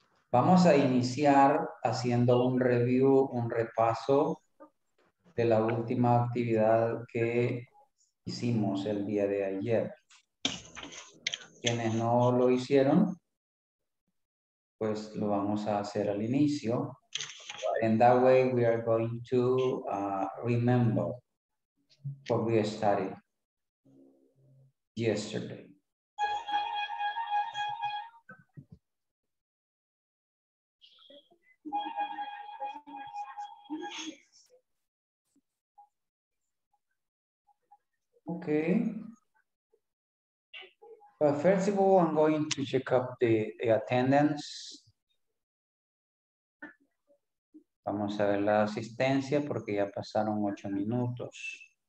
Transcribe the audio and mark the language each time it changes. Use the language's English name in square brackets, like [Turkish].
[Spanish] Vamos a iniciar haciendo un review, un repaso de la última actividad que hicimos el día de ayer. Quienes no lo hicieron, pues lo vamos a hacer al inicio. [English] And that way we are going to remember what we studied yesterday. Okay. But first of all, I'm going to check up the attendance. [Spanish] Vamos a ver la asistencia porque ya pasaron 8 minutos.